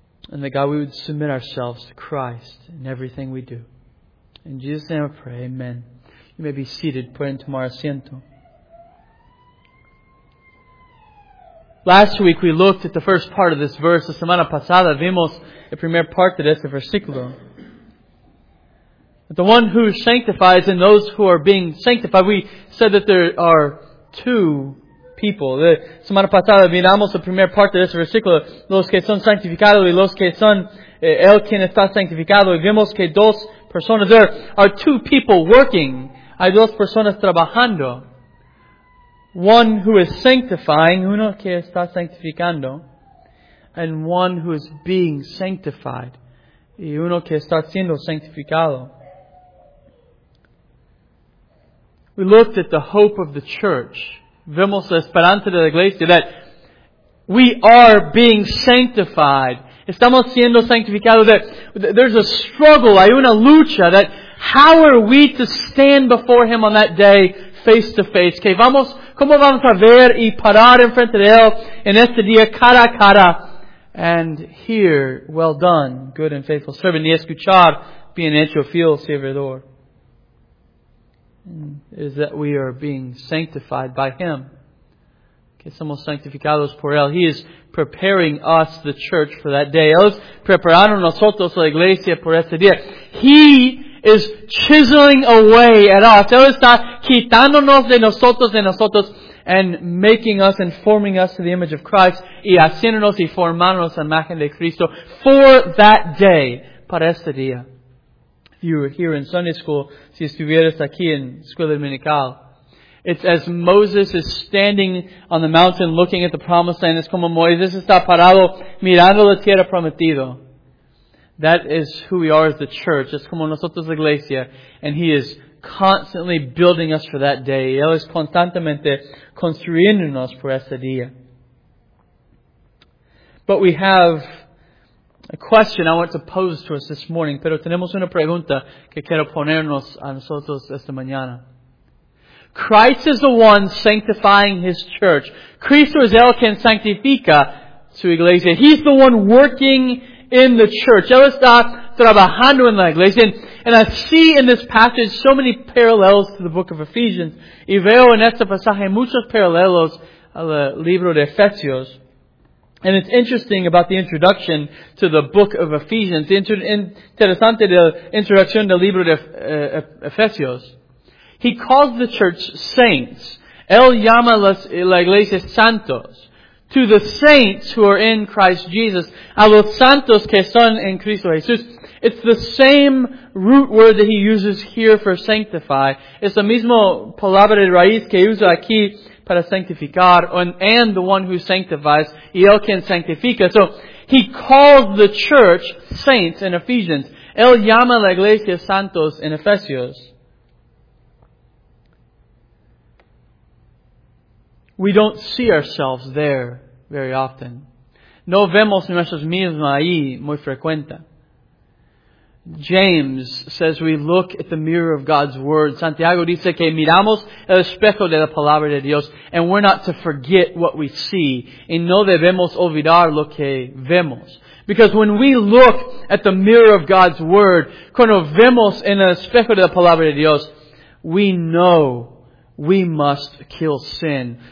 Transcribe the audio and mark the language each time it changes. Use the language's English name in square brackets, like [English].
[English] And that God, we would submit ourselves to Christ in everything we do. In Jesus' name I pray, amen. You may be seated. [Spanish] Pueden tomar asiento. [English] Last week we looked at the first part of this verse. [Spanish] La semana pasada vimos el primer parte de este versículo. [English] The one who sanctifies and those who are being sanctified. We said that there are two people. [Spanish] La semana pasada miramos la primera parte de este versículo. Los que son sanctificados y los que son el quien está sanctificado. Y vimos que dos personas. [English] There are two people working. [Spanish] Hay dos personas trabajando. [English] One who is sanctifying, [Spanish] uno que está sanctificando, [English] and one who is being sanctified, [Spanish] y uno que está siendo sanctificado. [English] We looked at the hope of the church. [Spanish] Vemos la esperanza de la iglesia, [English] that we are being sanctified. [Spanish] Estamos siendo sanctificados. [English] There's a struggle, [Spanish] hay una lucha, [English] that how are we to stand before Him on that day, face to face? [Spanish] Que vamos, ¿cómo vamos a ver y parar en frente de Él en este día, cara a cara? [English] And here, well done, good and faithful servant, [Spanish] y escuchar, bien hecho, fiel servidor. [English] Is that we are being sanctified by Him. [Spanish] Que somos sanctificados por Él. [English] He is preparing us, the church, for that day. [Spanish] Él es preparando nosotros, la iglesia, por este día. [English] He is chiseling away at us. [Spanish] Él está quitándonos de nosotros, [English] and making us and forming us [Spanish] to the image of Christ, y haciéndonos y formándonos a imagen de Cristo [English] for that day, [Spanish] para este día. [English] If you were here in Sunday school, [Spanish] si estuvieras aquí en escuela dominical, [English] it's as Moses is standing on the mountain looking at the promised land, [Spanish] es como Moisés está parado mirando la tierra prometida. [English] That is who we are as the church. [Spanish] Es como nosotros la iglesia. [English] And He is constantly building us for that day. [Spanish] Él es constantemente construyéndonos por ese día. [English] But we have a question I want to pose to us this morning. [Spanish] Pero tenemos una pregunta que quiero ponernos a nosotros esta mañana. [English] Christ is the one sanctifying His church. [Spanish] Cristo es el quien sanctifica su iglesia. [English] He's the one working in the church. [Spanish] Él está trabajando en la iglesia. [English] And I see in this passage so many parallels to the book of Ephesians. [Spanish] Y veo en este pasaje muchos paralelos al libro de Efesios. [English] And it's interesting about the introduction to the book of Ephesians. [Spanish] Interesante de la introducción del libro de Efesios. [English] He calls the church saints. [Spanish] Él llama la iglesia santos. [English] To the saints who are in Christ Jesus. [Spanish] A los santos que son en Cristo Jesús. [English] It's the same root word that he uses here for sanctify. [Spanish] Es la misma palabra de raíz que usa aquí para sanctificar. [English] And the one who sanctifies. [Spanish] Y él quien sanctifica. [English] So, he calls the church saints in Ephesians. [Spanish] Él llama la iglesia santos in Efesios. [English] We don't see ourselves there very often. [Spanish] No vemos nuestros mismos ahí muy frecuente. [English] James says we look at the mirror of God's Word. [Spanish] Santiago dice que miramos el espejo de la palabra de Dios. [English] And we're not to forget what we see. [Spanish] Y no debemos olvidar lo que vemos. [English] Because when we look at the mirror of God's Word, [Spanish] cuando vemos en el espejo de la palabra de Dios, [English] we know we must kill sin.